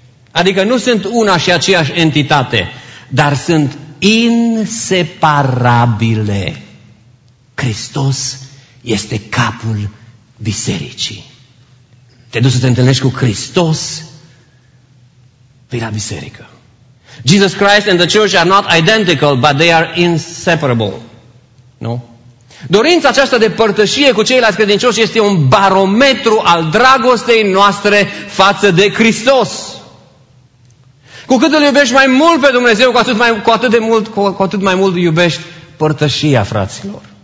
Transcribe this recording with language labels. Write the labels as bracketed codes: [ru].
[ro] Adică nu sunt una și aceeași entitate, dar sunt inseparabile. Hristos este capul bisericii. Te duci să te întâlnești cu Hristos, vii la biserică. [en] Jesus Christ and the church are not identical, but they are inseparable. [ro] Nu? Dorința aceasta de părtășie cu ceilalți credincioși este un barometru al dragostei noastre față de Hristos. Cu cât îl iubești mai mult pe Dumnezeu, cu atât mai mult iubești părtășia fraților.